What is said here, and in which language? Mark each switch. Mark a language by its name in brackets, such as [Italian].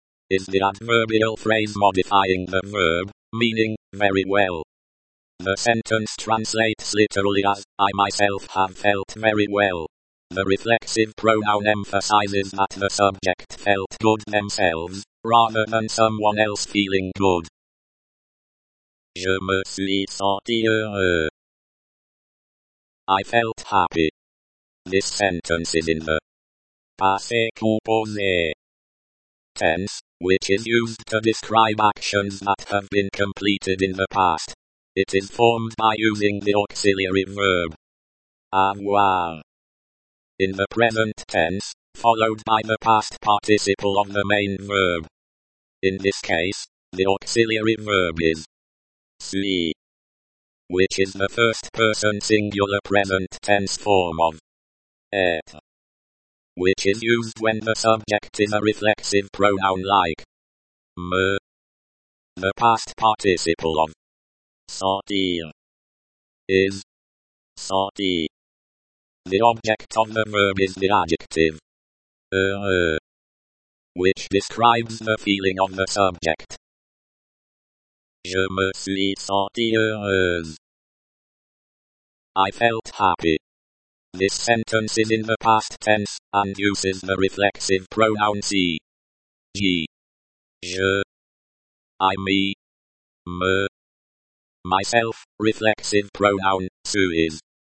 [English] is the adverbial phrase modifying the verb, meaning very well. The sentence translates literally as, I myself have felt very well. The reflexive pronoun emphasizes that the subject felt good themselves, rather than someone else feeling good. [French] Je me suis senti heureux. [English] I felt happy. This sentence is in the [French] passé composé [English] tense, which is used to describe actions that have been completed in the past. It is formed by using the auxiliary verb [French] avoir [English] in the present tense, followed by the past participle of the main verb. In this case, the auxiliary verb is [French] suis, [English] which is the first person singular present tense form of [French] être, [English] which is used when the subject is a reflexive pronoun like [French] me, [English] the past participle of [French] sortir [English] is [French] sorti. [English] The object of the verb is the adjective [French] heureux, [English] which describes the feeling of the subject. [French] Je me suis senti heureux. [English] I felt happy. This sentence is in the past tense and uses the reflexive pronoun si, [French] je, je, [English] I, me, me, myself, reflexive pronoun suis,